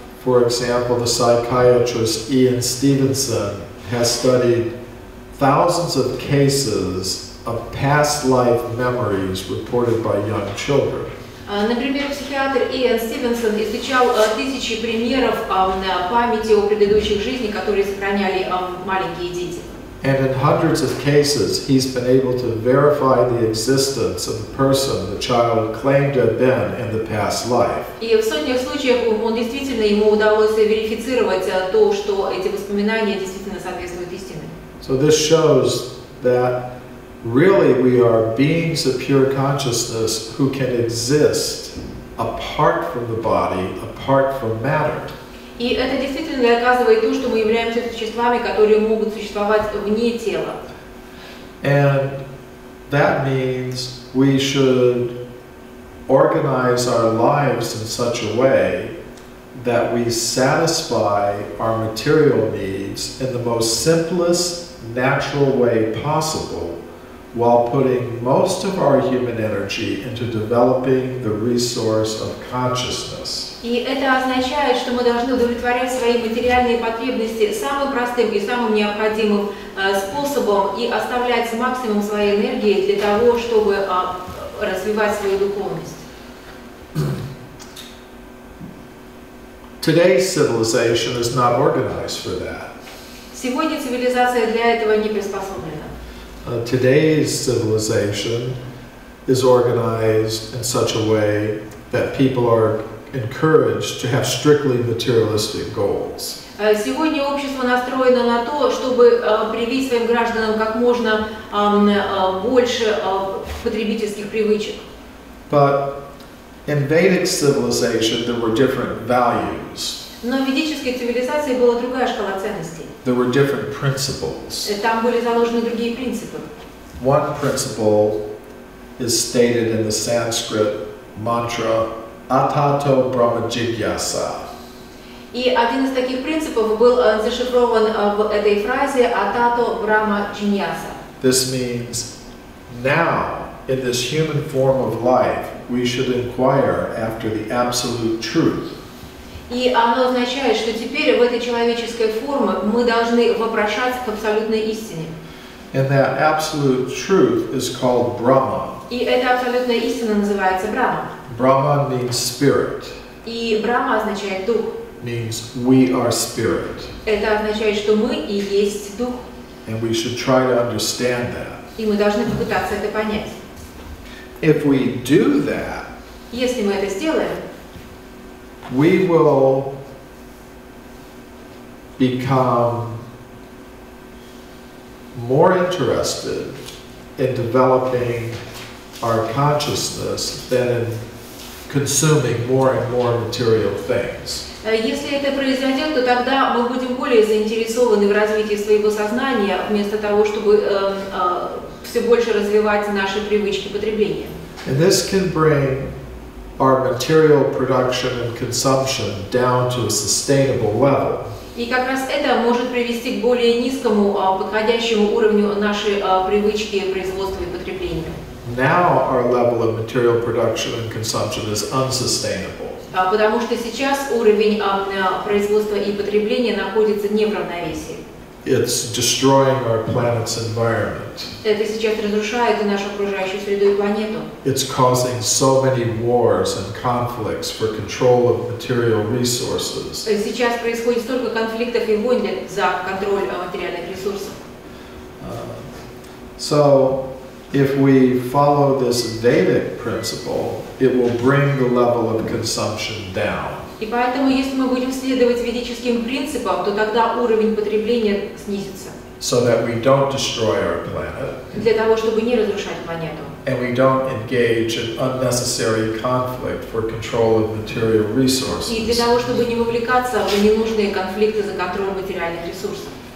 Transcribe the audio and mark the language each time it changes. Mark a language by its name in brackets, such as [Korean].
[English] For example, the psychiatrist Ian Stevenson has studied thousands of cases of past life memories reported by young children. [Russian] Например, психиатр Иэн Стивенсон изучал тысячи примеров памяти о предыдущих жизнях, которые сохраняли маленькие дети. [English] And in hundreds of cases, he's been able to verify the existence of the person the child claimed to have been in the past life. [Russian] И в сотнях случаев он действительно ему удалось верифицировать то, что эти воспоминания действительно соответствуют истине. [English] So this shows that really, we are beings of pure consciousness who can exist apart from the body, apart from matter. [Russian] И это действительно доказывает то, что мы являемся существами, которые могут существовать вне тела. [English] And that means we should organize our lives in such a way that we satisfy our material needs in the most simplest, natural way possible. While putting most of our human energy into developing the resource of consciousness. [Russian] И это означает, что мы должны удовлетворять свои материальные потребности самым простым и самым необходимым способом и оставлять максимум своей энергии для того, чтобы развивать свою духовность. [English] Today's civilization is not organized for that. [Russian] Сегодня цивилизация для этого не приспособлена. [English] Today's civilization is organized in such a way that people are encouraged to have strictly materialistic goals. [Russian] Сегодня общество настроено на то, чтобы привить своим гражданам как можно больше потребительских привычек. [English] But in Vedic civilization there were different values. [Russian] Но в ведической цивилизации была другая шкала ценностей. [English] There were different principles. [Russian] Там были заложены другие принципы. [English] One principle is stated in the Sanskrit mantra Atato Brahma Jigyasa. [Russian] И один из таких принципов был зашифрован в этой фразе Atato Brahma Jigyasa. [English] This means now in this human form of life we should inquire after the absolute truth. [Russian] И оно означает, что теперь в этой человеческой форме мы должны вопрошать к абсолютной истине. [English] And that absolute truth is called Brahma. [Russian] И эта абсолютная истина называется Брахма. [English] Brahma means spirit. [Russian] И Брахма означает дух. [English] Means we are spirit. [Russian] Это означает, что мы и есть дух. [English] And we should try to understand that. [Russian] И мы должны попытаться это понять. [English] If we do that, [Russian] если мы это сделаем, [English] we will become more interested in developing our consciousness than in consuming more and more material things. [Russian] Если это произойдет, то тогда мы будем более заинтересованы в развитии своего сознания, вместо того, чтобы все больше развивать наши привычки потребления. [English] And this can bring our material production and consumption down to a sustainable level. [Russian] И как раз это может привести к более низкому подходящему уровню нашей привычки производства и потребления. [English] Now our level of material production and consumption is unsustainable. [Russian] Потому что сейчас уровень производства и потребления находится не в равновесии. [English] It's destroying our planet's environment. [Russian] Это сейчас разрушает и нашу окружающую среду и планету. [English] It's causing so many wars and conflicts for control of material resources. [Russian] Сейчас происходит столько конфликтов и войн за контроль материальных ресурсов. [English] So, if we follow this Vedic principle, it will bring the level of consumption down. [Russian] И поэтому, если мы будем следовать ведическим принципам, то тогда уровень потребления снизится. [English] So that we don't destroy our planet. [Russian] Для того, чтобы не разрушать планету. [English] And we don't engage in unnecessary conflict for control of material resources. [Russian] И для того, чтобы не вовлекаться в ненужные конфликты за контроль материальных ресурсов.